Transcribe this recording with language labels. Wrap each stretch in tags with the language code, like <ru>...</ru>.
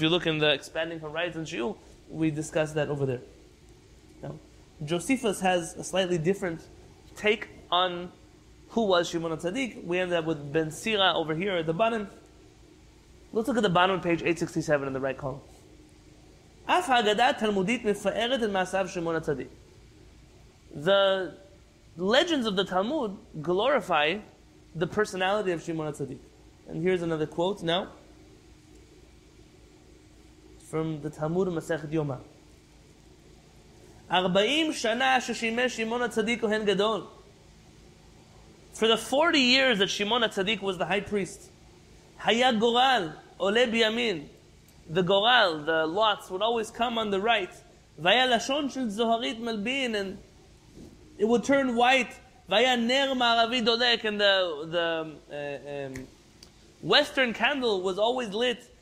<en>If you look in the Expanding Horizons shiur, we discuss that over there. Now, Josephus has a slightly different take on who was Shimon HaTzadik. We ended up with Ben Sira over here at the bottom. Let's look at the bottom of page 867 in the right column.</en> <he>אַפ הַגָּדָה תַּלְמוּדִית מְפַאֶרֶת אֶת מַעֲשָׂיו שֶׁל שִׁמְעוֹן הַצָּדִיק.</he> <en>The legends of the Talmud glorify the personality of Shimon HaTzadik. And here's another quote now from the Talmud Masechet Yoma.</en> <he>40 שנה ששימש שמעון הצדיק כהן גדול.</he> <en>For the 40 years that Shimon HaTzadik was the high priest,</en> <he>הַיָּה גּוֹרָל עוֹלֶה בִּיָּמִין.</he> <en>The goral, the lots, would always come on the right.</en> <he>Vaya lashon shel zoharit melbin,</he> <en>and it would turn white.</en> <he>Vaya ner ma'aravi dolek,</he> <en>and the western candle was always lit.</en>